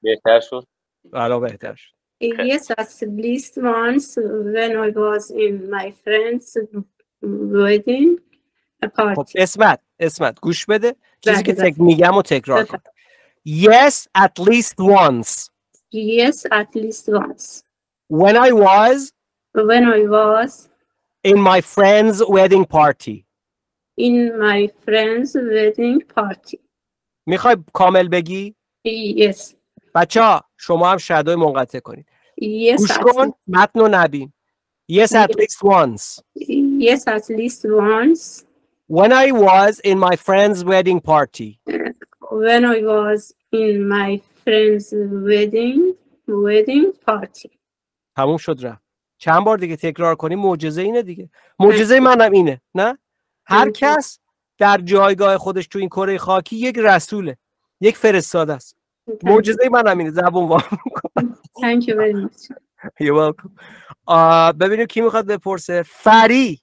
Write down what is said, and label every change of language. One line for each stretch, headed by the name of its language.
Persian: بهتر شد الان بهتر شد
English: Yes, at least once when I was in my friend's wedding party.
Persian: خب اسمت اسمت گوش بده چیزی که تک میگم و تکرار کن.
English: Yes, at least once. Yes, at least once. When I was in my friend's wedding party. In my friend's wedding party.
Persian: میخوای کامل بگی؟
English: Yes.
Persian: بچه ها شما هم شادو منقطع کنید.
English: Yes.
Persian: گوش کن متن رو نبین.
English: Yes, at least once. Yes, at least once. When I was in my friend's wedding party. When I was in my friend's wedding party.
Persian: تموم شد را. چند بار دیگه تکرار کنیم معجزه اینه دیگه. معجزه منم اینه. نه؟ هر کس در جایگاه خودش تو این کره خاکی یک رسوله. یک فرستاده است. معجزه منم اینه. زبون وام کنم.
English: Thank you very much. You're welcome.
Persian: ببینیم کی میخواد بپرسه.
English: Free.